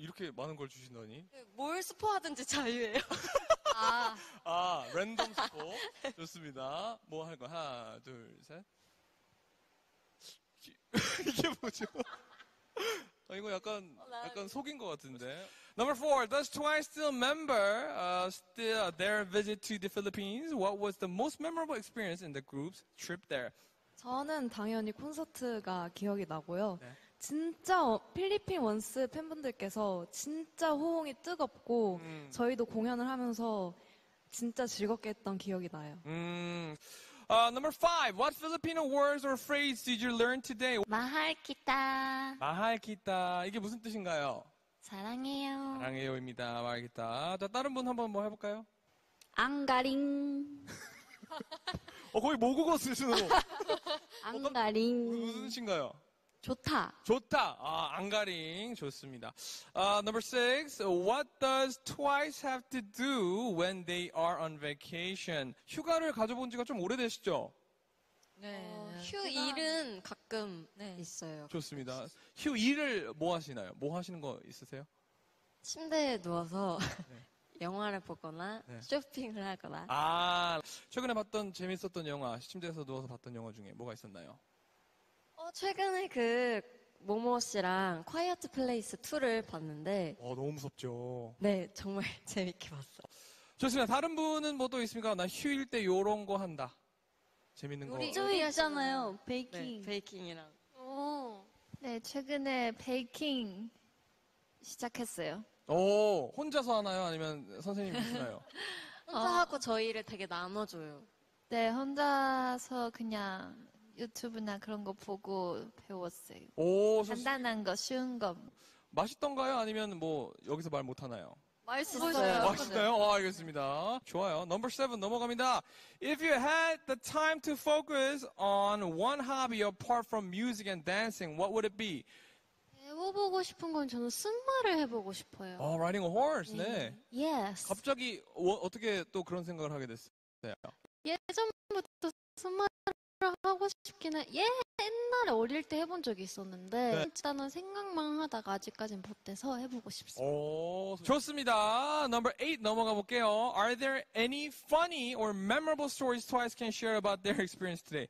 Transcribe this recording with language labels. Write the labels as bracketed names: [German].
[Korean] 이렇게 많은 걸 주신다니. 뭘 스포하든지 자유예요. 랜덤 스포. 좋습니다. 뭐 할 거야? 하나, 둘, 셋. 이게 뭐죠? 이거 약간 속인 것 같은데. [English] Number four. Does Twice still member still their visit to the Philippines? What was the most memorable experience in the group's trip there? [Korean] 저는 당연히 콘서트가 기억이 나고요. 네. 진짜 필리핀 원스 팬분들께서 진짜 호응이 뜨겁고 저희도 공연을 하면서 진짜 즐겁게 했던 기억이 나요. [English] Number five. What Filipino words or phrase did you learn today? [Filipino] 마할키타. [Korean] 마할키타. 이게 무슨 뜻인가요? 사랑해요. 사랑해요입니다. 마할키타. 자, 다른 분 한번 뭐 해볼까요? [Filipino] 앙가링. [Korean] 거의 모국어 수준으로. [Filipino] 앙가링. [Korean] 무슨 뜻인가요? 좋다. 좋다. 안가링. 좋습니다. [English] Number six. What does Twice have to do when they are on vacation? [Korean] 휴가를 가져본 지가 좀 오래되시죠? 네. 휴일은 가끔 네. 있어요. 좋습니다. 휴일을 뭐 하시나요? 뭐 하시는 거 있으세요? 침대에 누워서 네. 영화를 보거나 네. 쇼핑을 하거나. 최근에 봤던 재밌었던 영화, 침대에서 누워서 봤던 영화 중에 뭐가 있었나요? 최근에 그 모모 씨랑 콰이어트 플레이스 2를 봤는데 너무 무섭죠. 네, 정말 재밌게 봤어. 좋습니다. 다른 분은 뭐 또 있습니까? 나 휴일 때 요런 거 한다. 재밌는 거. 우리 조이 있잖아요. 베이킹. 네, 베이킹이랑. 네, 최근에 베이킹 시작했어요. 혼자서 하나요? 아니면 선생님이 주시나요? 혼자 하고 저희를 되게 나눠줘요. 네, 혼자서 그냥 유튜브나 그런 거 보고 배웠어요. 간단한 거, 쉬운 거. 맛있던가요? 아니면 뭐 여기서 말 못하나요? 맛있어요. 맛있나요? 알겠습니다. 좋아요. [English] Number 7 [Korean] 넘어갑니다. If you had the time to focus on one hobby apart from music and dancing, what would it be? 네, 해보고 싶은 건 저는 승마를 해보고 싶어요. [English] 아, riding a horse. [Korean] 네. 네. [English] Yes. [Korean] 갑자기 어떻게 또 그런 생각을 하게 됐어요? 예전부터 승마를 하고 싶긴 해. 예, 옛날에 어릴 때 해본 적이 있었는데 네. 일단은 생각만 하다가 아직까진 못해서 해보고 싶습니다. 오, 좋습니다. [English] Number 8 [Korean] 넘어가 볼게요. [English] Are there any funny or memorable stories Twice can share about their experience today?